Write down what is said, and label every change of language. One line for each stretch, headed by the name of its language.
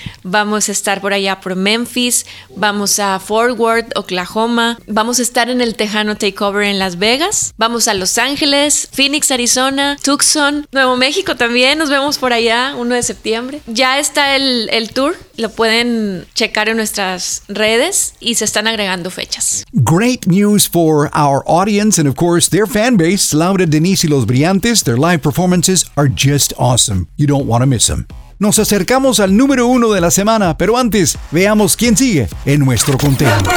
Spanish: Vamos a estar por allá por Memphis. Vamos a Fort Worth, Oklahoma. Vamos a estar en el Tejano Takeover en Las Vegas. Vamos a Los Ángeles, Phoenix, Arizona, Tucson, Nuevo México también. Nos vemos por allá, 1 de septiembre. Ya está el tour. Lo pueden checar en nuestras redes y se están agregando fechas.
English: Great news for our audience and of course their fan base. Laura Denise y los Brillantes, their live performances are just awesome. You don't want to miss them.
Spanish: Nos acercamos al número 1 de la semana, pero antes veamos quién sigue en nuestro conteo.